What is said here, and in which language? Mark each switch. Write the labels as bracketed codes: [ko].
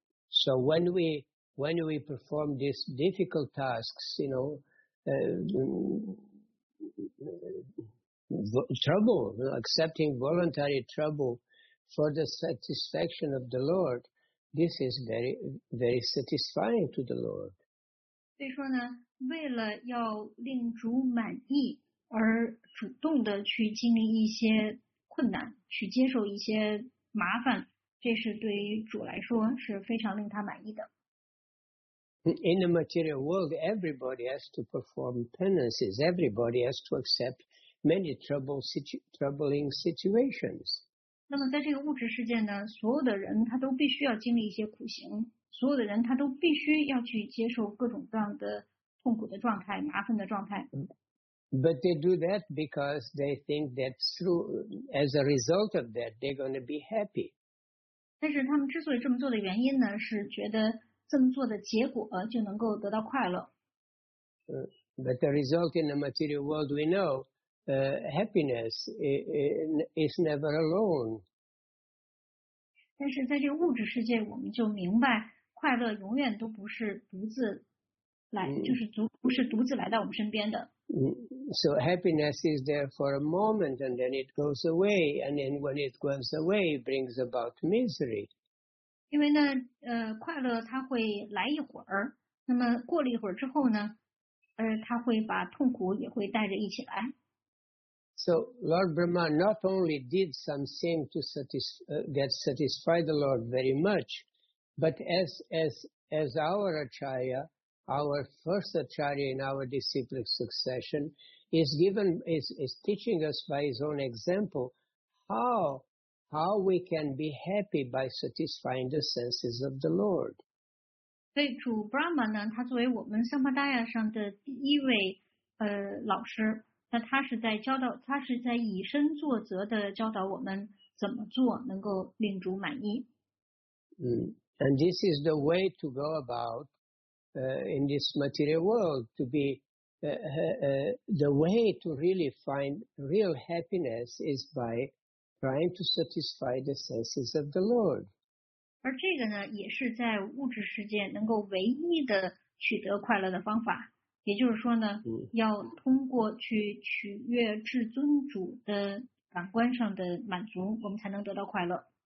[en] So when we perform these difficult tasks, you know, trouble, you know, accepting voluntary trouble for the satisfaction of the Lord, this is very, very satisfying to the Lord. [zh] 所以说呢，为了要令主满意而主动的去经历一些困难，去接受一些麻烦。这是对于主来说是非常令他满意的。 [en] In the material world, everybody has to perform penances. Everybody has to accept many troubling situations. [zh] 那么在这个物质世界呢，所有的人他都必须要经历一些苦行，所有的人他都必须要去接受各种各样的痛苦的状态、麻烦的状态。 [en] But they do that because they think that through, as a result of that, they're going to be happy. [zh] 但是他们之所以这么做的原因呢，是觉得这么做的结果就能够得到快乐。 [en] But the result in the material world we know, happiness is never alone. [zh] 但是在这个物质世界，我们就明白，快乐永远都不是独自来，就是不是独自来到我们身边的。 [en] So happiness is there for a moment and then it goes away and then when it goes away it brings about misery. [zh] 因为呢快乐它会来一会儿，那么过了一会儿之后呢，他会把痛苦也会带着一起来。 [en] So Lord Brahma not only did some seem to satisfy the Lord very much, but as our acharya, our first acharya in our disciplic succession, is teaching us by his own example how we can be happy by satisfying the senses of the Lord. [zh] 所以主 Brahma 呢，他作为我们三摩大亚上的第一位老师。那他是在教导，他是在以身作则的教导我们怎么做能够令主满意。 [en] And this is the way to go about in this material world to be the way to really find real happiness is by trying to satisfy the senses of the Lord. [zh] 而这个呢，也是在物质世界能够唯一的取得快乐的方法。也就是说呢，要通过去取悦至尊主的感官上的满足，我们才能得到快乐。